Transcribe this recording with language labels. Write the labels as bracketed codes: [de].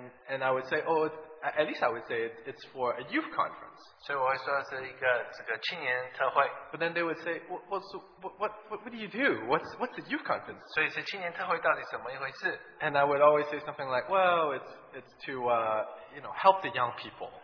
[en] And I would say, oh, at least I would say it's for a youth conference. [zh] 所以我会说是一个这个青年特会。 [en] But then they would say, what do you do? What's a youth conference? [zh] 所以是青年特会到底怎么一回事？ [en] And I would always say something like, well, it's to you know, help the young people.